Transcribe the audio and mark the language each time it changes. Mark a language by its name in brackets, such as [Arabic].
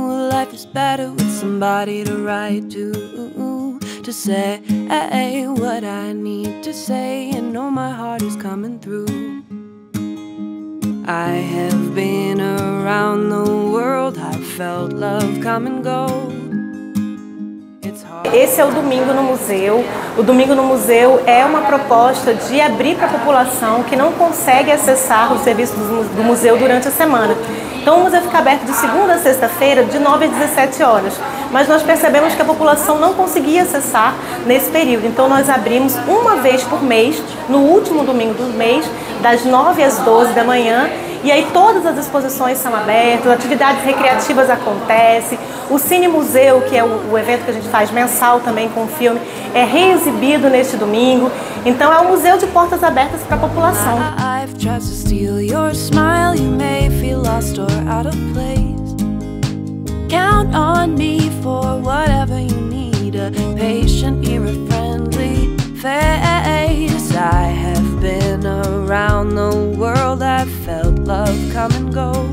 [English] Life is better with somebody to write to. To say what I need to say, and know my heart is coming through. I have been around the world, I've felt love come and go. [Portuguese] Esse é o Domingo no Museu. O Domingo no Museu é uma proposta de abrir para a população que não consegue acessar os serviços do museu durante a semana. Então o museu fica aberto de segunda a sexta-feira, de 9 às 17 horas. Mas nós percebemos que a população não conseguia acessar nesse período. Então nós abrimos uma vez por mês, no último domingo do mês, das 9 às 12 da manhã. E aí todas as exposições são abertas, atividades recreativas acontecem. O Cine Museu, que é o evento que a gente faz mensal também com o filme, é reexibido neste domingo. Então é um museu de portas abertas para a população. [English] I've tried to steal your smile, you may feel lost or out of place. Count on me for whatever you need, a patient ear, a friendly face. I have been around the world, I've felt love come and go.